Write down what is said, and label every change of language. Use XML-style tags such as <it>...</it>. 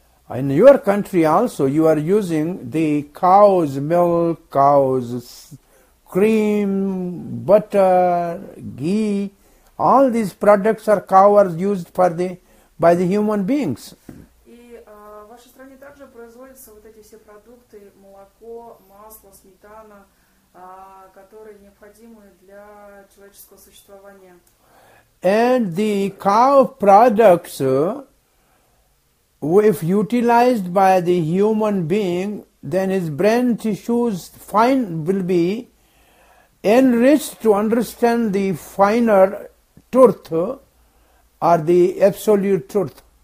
<en>In your country also, you are using the cow's milk, cow's cream, butter, ghee. All these products are cow are used by the human beings.</en> <ru>И в вашей стране также производятся вот эти все продукты, молоко, масло, сметана, которые необходимы для человеческого существования.</ru> <en>And the cow products, if utilized by the human being, then his brain tissues will be enriched to understand the finer truth or the absolute truth.</en>